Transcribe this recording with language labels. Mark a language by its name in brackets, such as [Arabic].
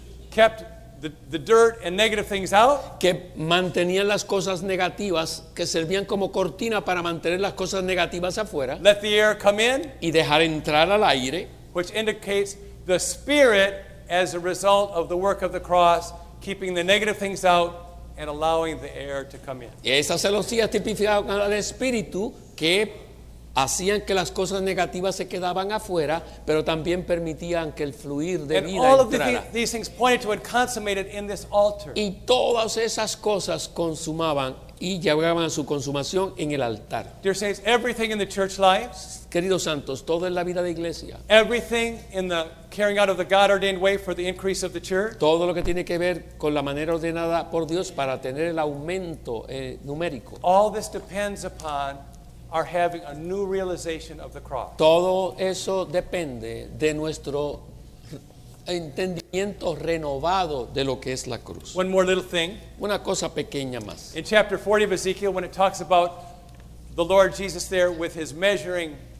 [English] Kept the dirt and negative things out. [Spanish] Que mantenían las cosas negativas, que servían como cortina para mantener las cosas negativas afuera. [English] Let the air come in. [Spanish] Y dejar entrar al aire. [English] Which indicates the Spirit as a result of the work of the cross, keeping the negative things out and allowing the air to come in. [Spanish] Y esas celosías tipificaban al Espíritu que hacían que las cosas negativas se quedaban afuera, pero también permitían que el fluir de [English] and [Spanish] vida [English] all [Spanish] entrara. [English] Of these things pointed to and consummated in this altar. [Spanish] Y todas esas cosas consumaban y llegaban a su consumación en el altar. [English] Dear saints, everything in the church lives, [Spanish] queridos santos, todo en la vida de iglesia. [English] Everything in the carrying out of the God-ordained way for the increase of the church. [Spanish] Todo lo que tiene que ver con la manera ordenada por Dios para tener el aumento numérico. [English] All this depends upon our having a new realization of the cross. [Spanish] Todo eso depende de nuestro entendimiento renovado de lo que es la cruz. [English] One more little thing. [Spanish] Una cosa pequeña más. [English] In chapter 40 of Ezekiel, when it talks about the Lord Jesus there with his measuring